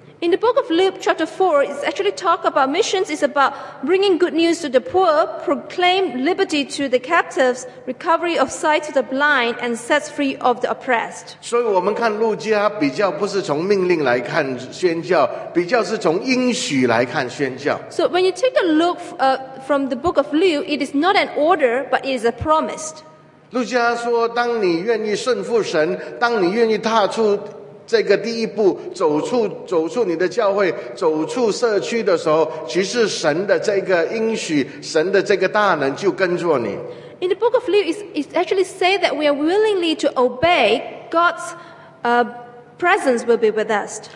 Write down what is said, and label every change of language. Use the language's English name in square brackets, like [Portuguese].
[English] In the book of Luke, chapter 4, it's actually talk about missions. It's about bringing good news to the poor, proclaim liberty to the captives, recovery of sight to the blind, and sets free of the oppressed. [Chinese] 所以我们看路加比较不是从命令来看宣教，比较是从应许来看宣教。 [English] So when you take a look from the book of Luke, it is not an order, but it is a promise. [Chinese] 路加说，当你愿意顺服神，当你愿意踏出 这个第一步，走出你的教会，走出社区的时候，其实神的这个应许，神的这个大能就跟着你。 [English] In the book of Luke, it actually say that we are willingly to obey God's presence will be with us.